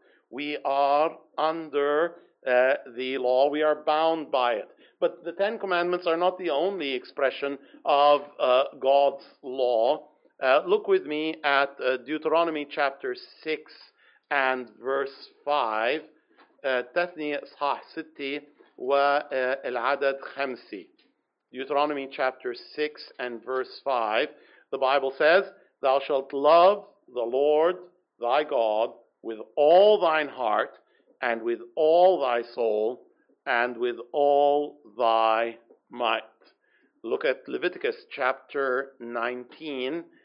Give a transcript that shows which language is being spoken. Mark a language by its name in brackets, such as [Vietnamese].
[English] We are under the law. We are bound by it. But the 10 commandments are not the only expression of God's law. Look with me at Deuteronomy chapter 6 and verse 5. [Arabic] تثني إصحاح ستي والعدد خمسي. [English] Deuteronomy chapter 6 and verse 5. The Bible says, thou shalt love the Lord thy God with all thine heart and with all thy soul and with all thy might. Look at Leviticus chapter 19.